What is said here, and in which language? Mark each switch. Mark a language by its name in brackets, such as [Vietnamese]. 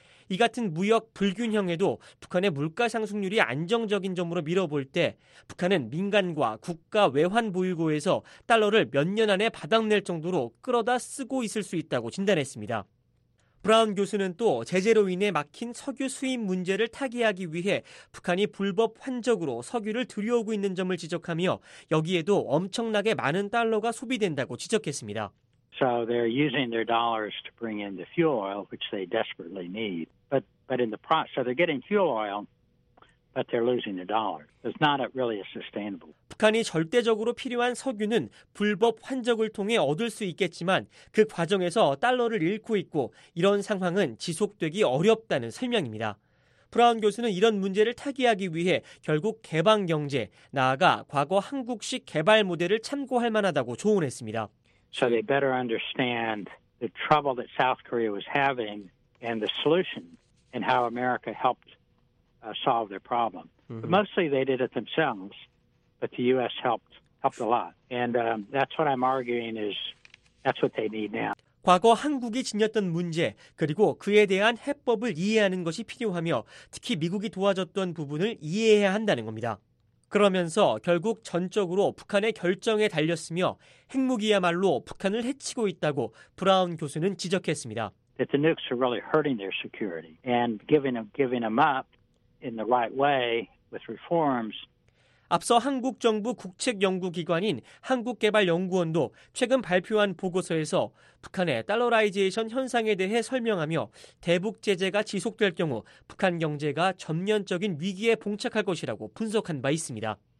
[Korean] 이 같은 무역 불균형에도 북한의 물가 상승률이 안정적인 점으로 밀어볼 때 북한은 민간과 국가 외환 보유고에서 달러를 몇 년 안에 바닥낼 정도로 끌어다 쓰고 있을 수 있다고 진단했습니다. 브라운 교수는 또 제재로 인해 막힌 석유 수입 문제를 타개하기 위해 북한이 불법 환적으로 석유를 들여오고 있는 점을 지적하며 여기에도 엄청나게 많은 달러가 소비된다고 지적했습니다. [English] So they're using their dollars to bring in the fuel oil which they desperately need. But in the process so they're getting fuel oil but they're losing their dollars. It's not really a sustainable. [Korean] 북한이 절대적으로 필요한 석유는 불법 환적을 통해 얻을 수 있겠지만 그 과정에서 달러를 잃고 있고 이런 상황은 지속되기 어렵다는 설명입니다. 브라운 교수는 이런 문제를 타개하기 위해 결국 개방 경제, 나아가 과거 한국식 개발 모델을 참고할 만하다고 조언했습니다. [English] So they better understand the trouble that South Korea was having and the solution and how America helped solve their problem. But mostly they did it themselves, but the U.S. helped a lot. And that's what I'm arguing is that's what they need now. [Korean] 과거 한국이 지녔던 문제 그리고 그에 대한 해법을 이해하는 것이 필요하며 특히 미국이 도와줬던 부분을 이해해야 한다는 겁니다. 그러면서 결국 전적으로 북한의 결정에 달렸으며 핵무기야말로 북한을 해치고 있다고 브라운 교수는 지적했습니다. [English] That the nukes are really hurting their security and giving them up in the right way with reforms. [Korean] 앞서 한국 정부 국책연구기관인 한국개발연구원도 최근 발표한 보고서에서 북한의 달러라이제이션 현상에 대해 설명하며 대북 제재가 지속될 경우 북한 경제가 전면적인 위기에 봉착할 것이라고 분석한 바 있습니다.